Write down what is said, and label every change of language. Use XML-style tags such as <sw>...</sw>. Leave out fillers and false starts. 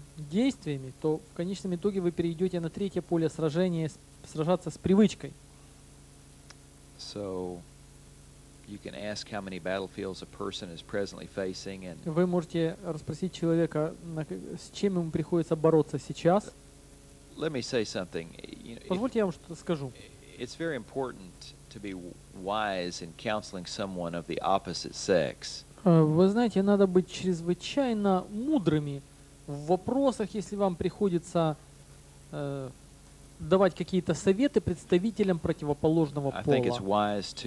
<ru>действиями, то в конечном итоге вы перейдете на третье поле сражения, сражаться с привычкой.</ru> <en>So you can ask how many battlefields a person is presently facing, and</en> <ru>вы можете расспросить человека, с чем ему приходится бороться сейчас.</ru> <en>Let me say something. You know,</en> <ru>позвольте я вам что-то скажу.</ru> <en>It's very important to be wise in counseling someone of the opposite sex.</en> <ru>Вы знаете, надо быть чрезвычайно мудрыми в вопросах, если вам приходится давать какие-то советы представителям противоположного пола.</ru>